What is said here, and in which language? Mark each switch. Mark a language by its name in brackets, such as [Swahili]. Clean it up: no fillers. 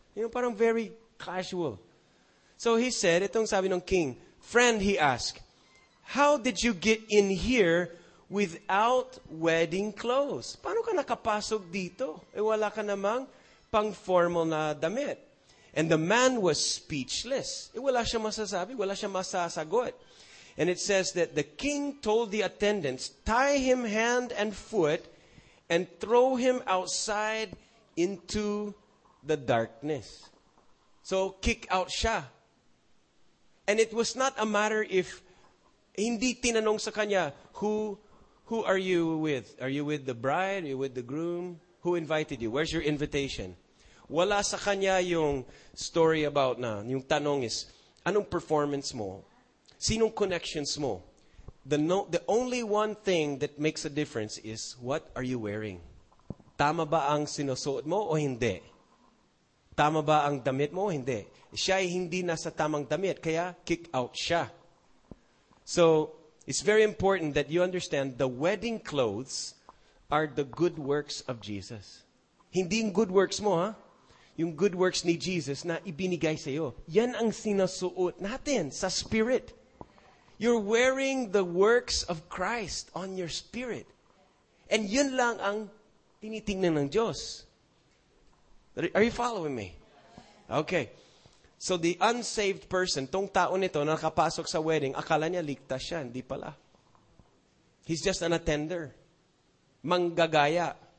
[English] Yung parang very casual. So he said, [Filipino] itong sabi ng king, [English] friend, he asked, how did you get in here without wedding clothes? [Filipino] Paano ka nakapasok dito? Wala ka namang pang formal na damit. [English] And the man was speechless. [Filipino] Wala siya masasabi, wala siya masasagot. [English] And it says that the king told the attendants, tie him hand and foot and throw him outside into the darkness. So, kick out siya. And it was not a matter if [Filipino] hindi tinanong sa kanya, [English] who are you with? Are you with the bride? Are you with the groom? Who invited you? Where's your invitation? [Filipino] Wala sa kanya yung story about na, yung tanong is, anong performance mo? Sinong connections mo? [English] The only one thing that makes a difference is, what are you wearing? [Filipino] Tama ba ang sinusuot mo o hindi? Tama ba ang damit mo? Hindi. Siya ay hindi na sa tamang damit, kaya kick out siya. [English] So, it's very important that you understand the wedding clothes are the good works of Jesus. [Filipino] Hindi yung good works mo, ha? Yung good works ni Jesus na ibinigay sa iyo. Yan ang sinasuot natin sa spirit. [English] You're wearing the works of Christ on your spirit. [Filipino] And yun lang ang tinitingnan ng Diyos. [English] Are you following me? Okay. So the unsaved person, [Filipino] tong taon nito na nakapasok sa wedding, akala niya ligtas siya, hindi pala. [English] He's just an attender. Manggagaya.